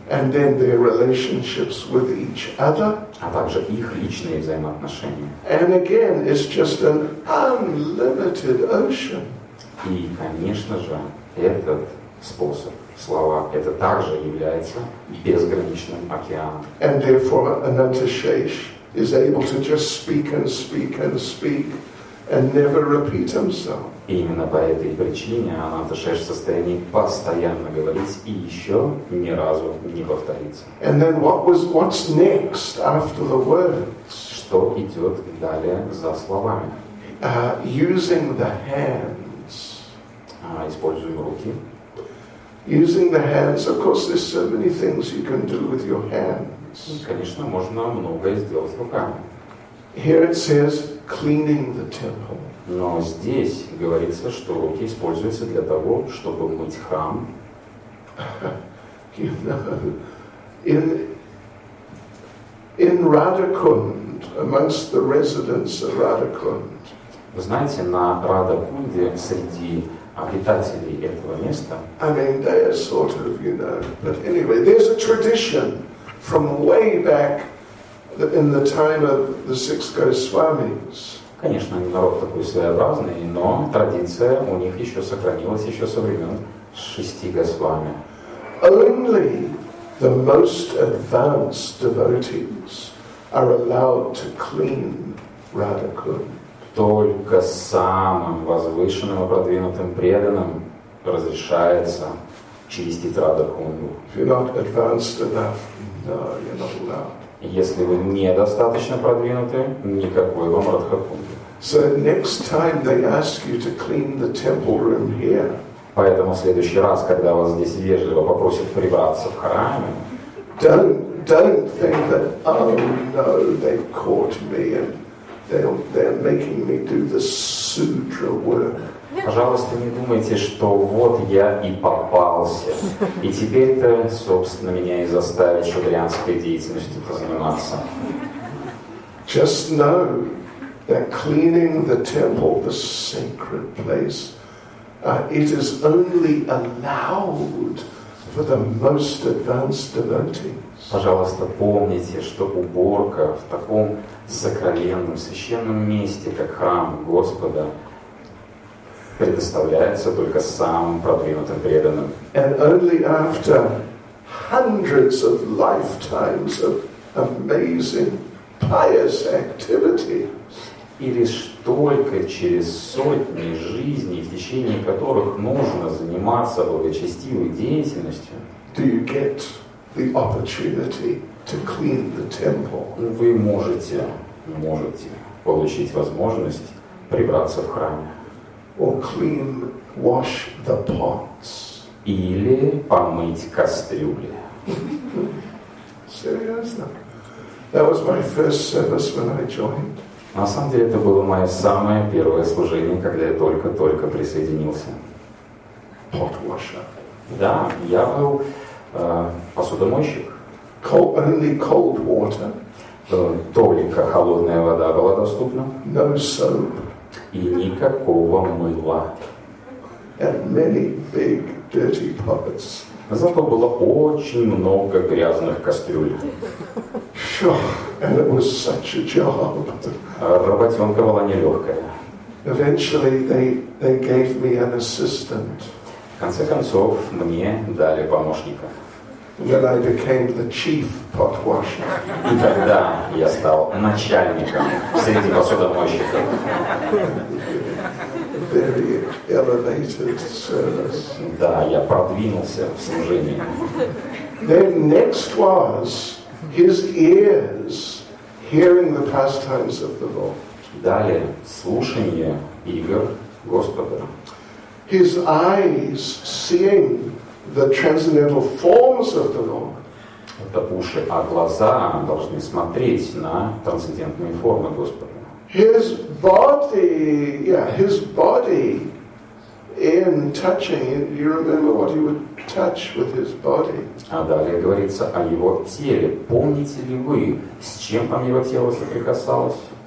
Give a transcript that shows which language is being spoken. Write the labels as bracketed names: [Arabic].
[English] And then their relationships with each other. [Russian] А также их личные взаимоотношения. [English] And again, it's just an unlimited ocean. [Russian] И, конечно же, этот способ слова, это также является безграничным океаном. [English] And therefore, Anantashesh is able to just speak and speak and speak and never repeat himself. [Russian] И именно по этой причине Ананташеш в состоянии постоянно говорить и еще ни разу не повториться. [English] And then what's next after the words? [Russian] Что идет далее за словами? [English] Using the hands. [Russian] Используем руки. [English] Using the hands, of course, there's so many things you can do with your hands. [Russian] Конечно, можно многое сделать руками. [English] Here it says cleaning the temple. [Russian] Но здесь говорится, что руки используются для того, чтобы мыть храм. [English] You know, in Radhakund, amongst the residents of Radhakund. [Russian] Вы знаете, на Радхакунде среди обитателей этого места. [English] I mean, they are sort of, you know, but anyway, there's a tradition from way back in the time of the six Goswamis. [Russian] Конечно, народ такой своеобразный, но традиция у них еще сохранилась еще со времен шести Госвами. [English] Only the most advanced devotees are allowed to clean Radhakund. [Russian] Только самым возвышенным и продвинутым преданным разрешается чистить Радхакунду. [English] If you're not advanced enough, no, you're not allowed. [Russian] Если вы недостаточно продвинуты, никакой вам Радхакунды. [English] So next time they ask you to clean the temple room here. [Russian] Поэтому в следующий раз, когда вас здесь вежливо попросят прибраться в храме, [English] don't think that oh no, they caught me and they're making me do the sutra work. [Russian] Пожалуйста, не думайте, что вот я и попался, и теперь-то, собственно, меня и заставят шудрианской деятельностью заниматься. [English] Just know. They're cleaning the temple, the sacred place. It is only allowed for the most advanced devotees. [Russian] Пожалуйста, помните, что уборка в таком сокровенном, священном месте, как храм Господа, предоставляется только самым продвинутым преданным. [English] And only after hundreds of lifetimes of amazing pious activity. [Russian] И лишь только через сотни жизней, в течение которых нужно заниматься благочестивой деятельностью, [English] do you get the opportunity to clean the temple? [Russian] Вы можете получить возможность прибраться в храме. [English] Or clean, wash the pots. [Russian] Или помыть кастрюли. Серьезно? [English] That was my first service when I joined. [Russian] На самом деле, это было мое самое первое служение, когда я только-только присоединился. [English] Pot washer. [Russian] Да, я был посудомойщик. [English] Only cold water. [Russian] Только холодная вода была доступна. [English] No soap. [Russian] И никакого мыла. [English] And many big dirty pots. [Russian] Зато было очень много грязных кастрюль. [English] And it was such a job. [Russian] Работенка была нелегкая. [English] Eventually they gave me an assistant. [Russian] В конце концов, мне дали помощника. [English] Then I became the chief pot washer. [Russian] И тогда я стал начальником среди посудомойщиков. [English] Very elevated service. [Russian] Да, я продвинулся в служении. [English] Then next was his ears hearing the pastimes of the Lord. [Russian] Далее слушание игр Господа. [English] His eyes seeing the transcendental forms of the Lord. [Russian] Это уши, а глаза должны смотреть на трансцендентные формы Господа. [English] His body in touching, you remember what he would touch with his body. [Russian] А далее говорится о его теле. Помните ли вы, с чем там его тело соприкасалось?